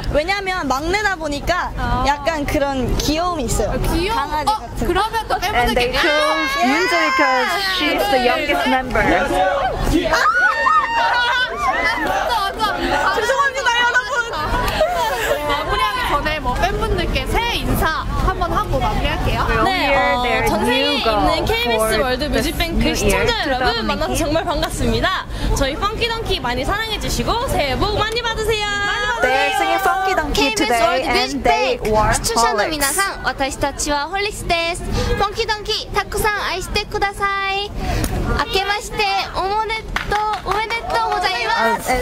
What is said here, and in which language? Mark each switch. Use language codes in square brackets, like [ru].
[ko] 왜냐면 막내다 보니까 약간 그런 귀여움이 있어요. 귀여워. 강아지 같은. 어, 그러면 또 해보는 게. [en] And they chose Yunji because she's the youngest member. [ko] 죄송합니다 여러분. 마무리하기 전에 뭐 팬분들께 새해 인사 한번 하고 마무리할게요. 네, 전 세계에 있는 KBS 월드 뮤직뱅크 시청자 여러분 만나서 정말 반갑습니다. 저희 펑키 덩키 많이 사랑해 주시고 새해 복 많이 받으세요. [en] They are singing Funky Donkey today, and they are Holics. [ja] 私たちは Holics です.Funky Donkey, たくさん 愛して ください. 明けまして おめでとうございます.